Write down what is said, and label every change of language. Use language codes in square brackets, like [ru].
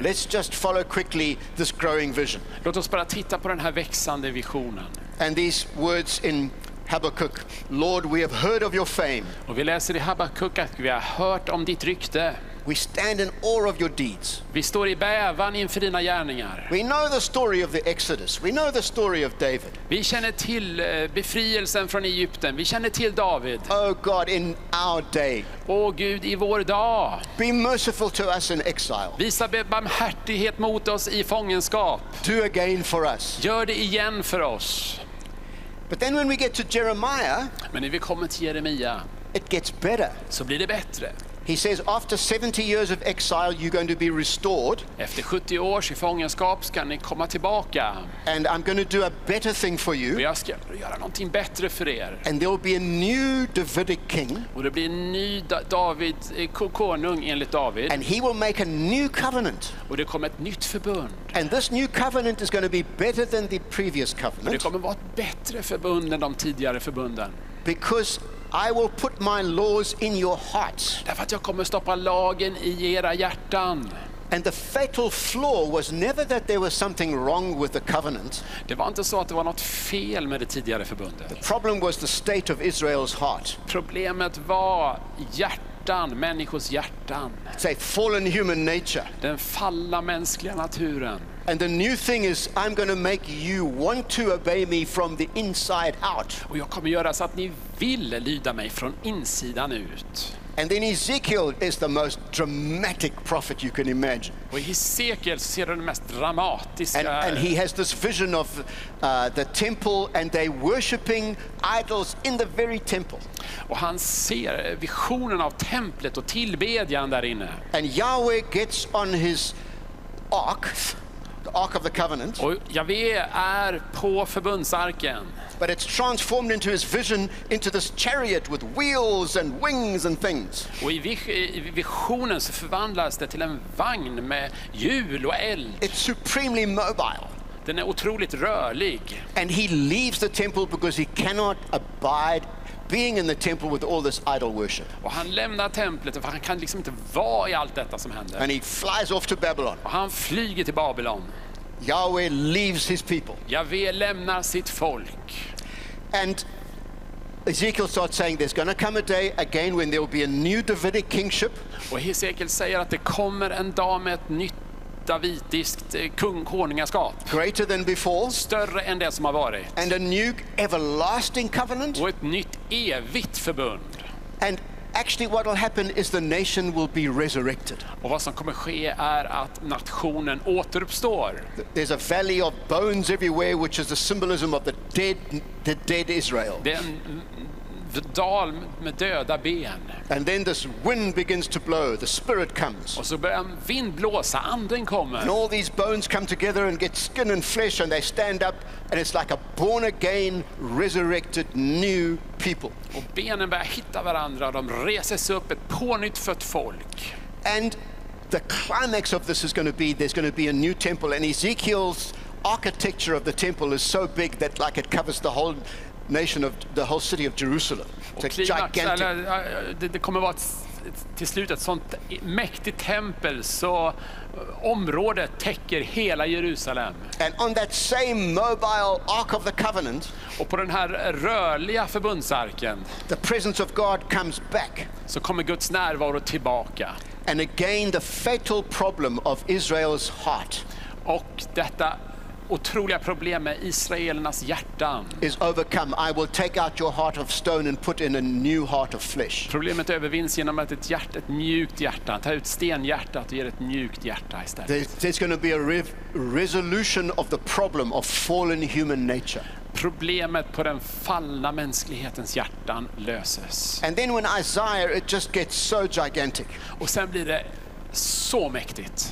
[en] Let's just follow quickly this growing vision. [sv] Låt oss bara titta på den här växande visionen. [en] And these words in Habakkuk, Lord, we have heard of your fame. [sv] Och vi läser i Habakkuk att vi har hört om ditt rykte. [en] We stand in awe of your deeds. [sv] Vi står i bävan inför dina gärningar. [en] We know the story of the Exodus. We know the story of David. [sv] Vi känner till befrielsen från Egypten. Vi känner till David. [en] Oh God, in our day. [sv] Åh Gud, i vår dag. [en] Be merciful to us in exile. [sv] Visa barmhärtighet mot oss i fångenskap. [en] Do again for us. [sv] Gör det igen för oss. [en] But then when we get to Jeremiah, [sv] men när vi kommer till Jeremia, [en] it gets better. [sv] Så blir det bättre. [en] He says after 70 years of exile you're going to be restored. [sv] Efter 70 års i fångenskap ska ni komma tillbaka. [en] And I'm going to do a better thing for you. [sv] Jag ska göra någonting bättre för er. [en] And there will be a new Davidic king. [sv] Och det blir en ny David konung enligt David. [en] And he will make a new covenant. [sv] Och det kommer ett nytt förbund. [en] And this new covenant is going to be better than the previous covenant. [sv] Och det kommer vara ett bättre förbund än de tidigare förbunden. [en] Because I will put my laws in your hearts. [sv] Därför att jag kommer stoppa lagen i era hjärtan. [en] And the fatal flaw was never that there was something wrong with the covenant. [sv] Det var inte så att det var något fel med det tidigare förbundet. [en] The problem was the state of Israel's heart. [sv] Problemet var hjärtan, människors hjärtan. [en] It's a fallen human nature. [sv] Den fallna mänskliga naturen. [en] And the new thing is I'm going to make you want to obey me from the inside out. [sv] Och jag kommer göra så att ni vill lyda mig från insidan ut. [en] And then Ezekiel is the most dramatic prophet you can imagine. [sv] Och Ezekiel ser den mest dramatiska. [en] And he has this vision of the temple and they worshiping idols in the very temple. [sv] Och han ser visionen av templet och tillbedjan där inne. [en] And Yahweh gets on his ark. The Ark of the Covenant. [sv] Och Yahweh är på förbundsarken. [en] But it's transformed into his vision into this chariot with wheels and wings and things. [sv] Och i visionen så förvandlas det till en vagn med hjul och eld. [en] It's supremely mobile. [sv] Den är otroligt rörlig. [en] And he leaves the temple because he cannot abide being in the temple with all this idol worship. [sv] Och han lämnar templet för han kan liksom inte vara i allt detta som händer. [en] And he flies off to Babylon. [sv] Och han flyger till Babylon. [en] Yahweh leaves his people. [sv] Yahweh lämnar sitt folk. [en] And Ezekiel starts saying there's going to come a day again when there will be a new Davidic kingship. [sv] Och Ezekiel säger att det kommer en dag med ett nytt davidiskt kungkonungaskap. [en] Greater than before. [sv] Större än det som har varit. [en] And a new everlasting covenant. [sv] Och ett nytt evigt förbund. [en] And actually what will happen is the nation will be resurrected. [sv] Och vad som kommer ske är att nationen återuppstår. [en] There's a valley of bones everywhere which is the symbolism of the dead Israel. [sv] Den dal med döda ben. [en] And then this wind begins to blow, the spirit comes. [sv] Och så börjar vind blåsa, anden kommer. [en] And all these bones come together and get skin and flesh and they stand up and it's like a born again resurrected new people. [sv] Och benen börjar hitta varandra, de reser sig upp, ett pånytt fött folk. [en] And the climax of this is going to be there's going to be a new temple and Ezekiel's architecture of the temple is so big that like it covers the whole nation of the whole city of Jerusalem. It's a gigantic. [sv] Det kommer vara till slut ett sånt mäktigt tempel så området täcker hela Jerusalem. [en] And on that same mobile ark of the covenant, [sv] och på den här rörliga förbundsarken, [en] the presence of God comes back. [sv] Så kommer Guds närvaro tillbaka. [en] And again the fatal problem of Israel's heart. [sv] Och detta otroliga problem med israelernas hjärtan [en] is overcome. I will take out your heart of stone and put in a new heart of flesh. [sv] Problemet övervinns genom att ett mjukt hjärta, ta ut stenhjärtat och ge ett mjukt hjärta istället. [en] There's going to be a resolution of the problem of fallen human nature. [sv] Problemet på den fallna mänsklighetens hjärtan löses. [en] And then when Isaiah, it just gets so gigantic. [sv] Och sen blir det så mäktigt.